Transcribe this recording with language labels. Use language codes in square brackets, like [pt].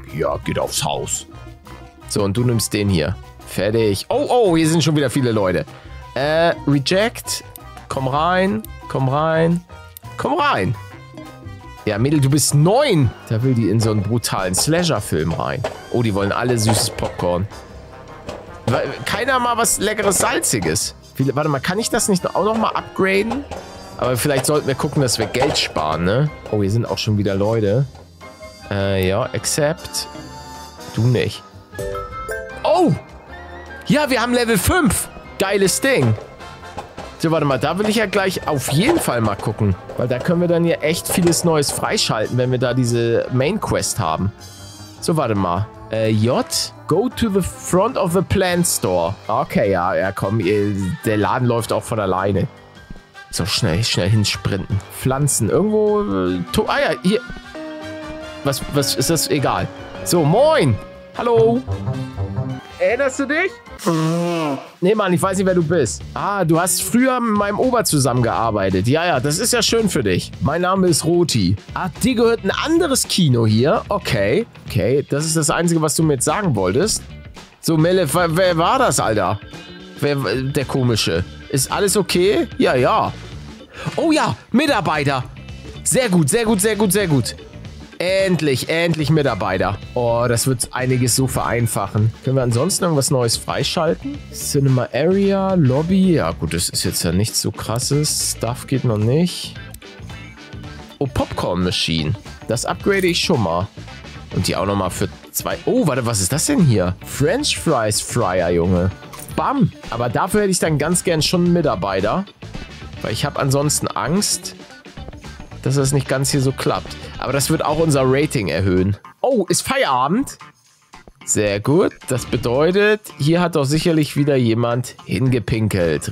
[de] Ja, geht aufs Haus. So, und du nimmst den hier. Fertig. Oh, hier sind schon wieder viele Leute. Reject. Komm rein. Komm rein. Komm rein. Ja, Mädel, du bist 9. Da will die in so einen brutalen Slasher-Film rein. Oh, die wollen alle süßes Popcorn. Keiner mal was Leckeres, Salziges. Warte mal, kann ich das nicht auch noch mal upgraden? Aber vielleicht sollten wir gucken, dass wir Geld sparen, ne? Oh, hier sind auch schon wieder Leute. Ja, except. Du nicht. Oh! Ja, wir haben Level 5. Geiles Ding. So, warte mal, da will ich ja gleich auf jeden Fall mal gucken. Weil da können wir dann ja echt vieles Neues freischalten, wenn wir da diese Main Quest haben. So, warte mal. [en] J, go to the front of the plant store. [de] Okay, ja, komm, der Laden läuft auch von alleine. So, schnell hinsprinten. Pflanzen, irgendwo... ja, hier. Was ist das? Egal. So, moin. Hallo. Erinnerst du dich? Nee, Mann, ich weiß nicht, wer du bist. Ah, du hast früher mit meinem Opa zusammengearbeitet. Ja, das ist ja schön für dich. Mein Name ist Roti. Ah, dir gehört ein anderes Kino hier. Okay. Okay, das ist das Einzige, was du mir jetzt sagen wolltest. So, Melle, wer war das, Alter? Wer, der Komische? Ist alles okay? Ja. Oh ja, Mitarbeiter. Sehr gut. Endlich Mitarbeiter. Oh, das wird einiges so vereinfachen. Können wir ansonsten irgendwas Neues freischalten? Cinema Area, Lobby. Ja gut, das ist jetzt ja nichts so krasses. Stuff geht noch nicht. Oh, Popcorn Machine. Das upgrade ich schon mal. Und die auch nochmal für 2. Oh, warte, was ist das denn hier? French Fries Fryer, Junge. Bam. Aber dafür hätte ich dann ganz gern schon einen Mitarbeiter. Weil ich habe ansonsten Angst, dass das nicht ganz hier so klappt. Aber das wird auch unser Rating erhöhen. Oh, ist Feierabend? Sehr gut. Das bedeutet, hier hat doch sicherlich wieder jemand hingepinkelt.